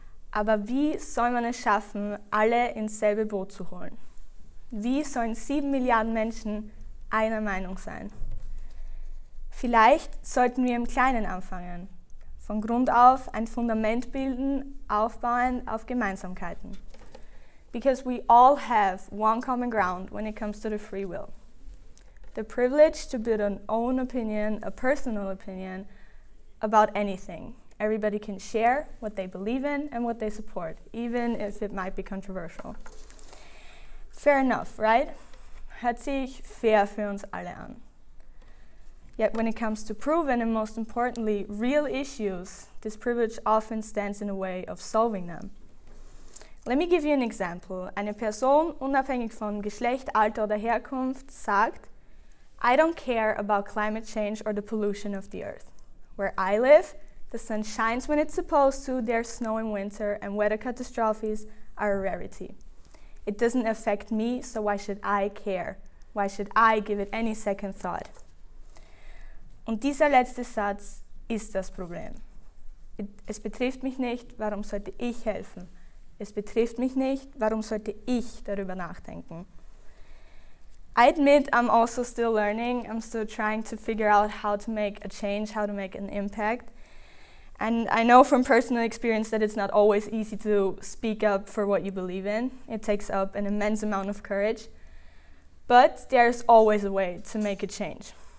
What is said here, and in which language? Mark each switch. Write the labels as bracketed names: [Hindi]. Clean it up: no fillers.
[German] Aber wie soll man es schaffen, alle ins selbe Boot zu holen? Wie sollen 7 Milliarden Menschen einer Meinung sein? Vielleicht sollten wir im Kleinen anfangen, von Grund auf ein Fundament bilden, aufbauen auf Gemeinsamkeiten. [English] Because we all have one common ground when it comes to the free will. The privilege to build an own opinion, a personal opinion, about anything. Everybody can share what they believe in and what they support, even if it might be controversial. Fair enough, right? [German] Hört sich fair für uns alle an. [English] Yet when it comes to proven and most importantly, real issues, this privilege often stands in the way of solving them. Let me give you an example. [German] Eine Person, unabhängig von Geschlecht, Alter oder Herkunft, sagt, [English] I don't care about climate change or the pollution of the earth. Where I live, the sun shines when it's supposed to, there's snow in winter, and weather catastrophes are a rarity. It doesn't affect me, so why should I care? Why should I give it any second thought? [German] Und dieser letzte Satz ist das Problem. Es betrifft mich nicht, warum sollte ich helfen? Es betrifft mich nicht, warum sollte ich darüber nachdenken? [English] I admit I'm also still learning, I'm still trying to figure out how to make a change, how to make an impact. And I know from personal experience that it's not always easy to speak up for what you believe in. It takes up an immense amount of courage. But there's always a way to make a change.